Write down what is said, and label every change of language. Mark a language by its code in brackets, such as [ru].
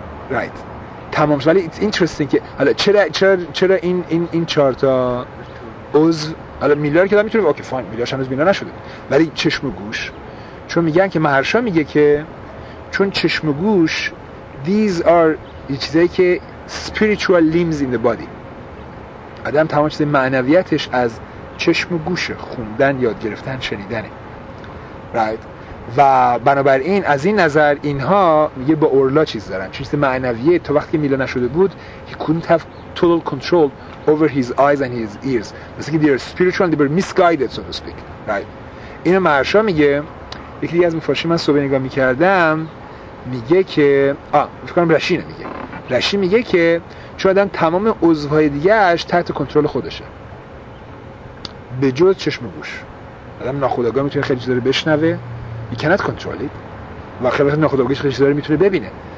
[fa] رایت تمام شد. ولی [en] it's interesting [fa] که حالا چرا این چهار تا عضو، حالا میلا رو که دارم میتونه اوکی فاین، میلاش هنوز میلا نشده، ولی چشم و گوش، چون میگن که مهرشا میگه که چون چشم و گوش [en] these are [fa] چیزایی که [en] spiritual limbs in the body، [fa] آدم تمام چیز معنویتش از چشم و گوش، خوندن، یاد گرفتن، شنیدنه. رایت و بنابراین از این نظر اینها میگه با اورلا چیز دارن، چیز معنویه. تو وقتی میلا نشده بود [en] he couldn't have total control over his eyes and his ears، [fa] مثل که [en] they are spiritual, they were misguided so to speak. right. [fa] اینو مهرشا میگه. یکی دیگه از مفاشی من صبح نگاه میکردم میگه که فکرم رشی نمیگه، رشی میگه که چون آدم تمام عضوهای دیگهش تحت کنترل خودشه به جز چشم و گوش. آدم ناخودآگاه میتونه خیلی چیزا رو بشنوه، [en] you cannot control it، [fa] و خیلی وقت ناخودآگاهش خیلی چیزا رو میتونه ببینه.